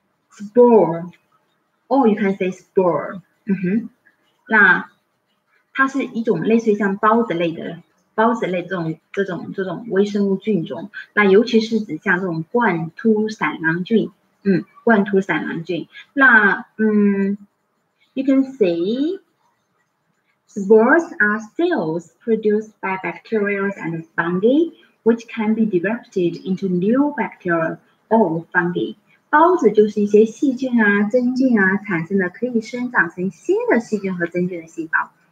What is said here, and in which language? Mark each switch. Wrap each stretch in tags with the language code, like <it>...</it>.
<en>Spore. Or you can say spore.</en> <zh>那它是一种类似于像包子类这种微生物菌种。那尤其是指像这种冠突散囊菌。冠突散囊菌。</zh> <en>那you can see spores are cells produced by bacteria and fungi, which can be divided into new bacteria or fungi.</en> <zh>包子就是一些细菌啊真菌啊产生的，可以生长成新的细菌和真菌的细胞。</zh>